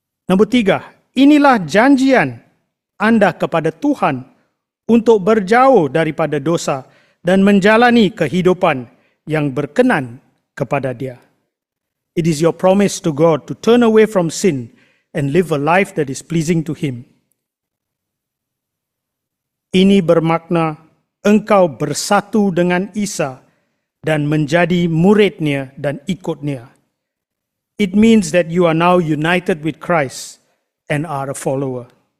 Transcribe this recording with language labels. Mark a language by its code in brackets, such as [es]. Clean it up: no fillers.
[ms] Nomor tiga, inilah janjian Anda kepada Tuhan untuk berjauh daripada dosa dan menjalani kehidupan yang berkenan kepada Dia. [en] It is your promise to God to turn away from sin and live a life that is pleasing to Him. [ms] Ini bermakna engkau bersatu dengan Isa dan menjadi muridnya dan ikutnya. [en] It means that you are now united with Christ and are a follower.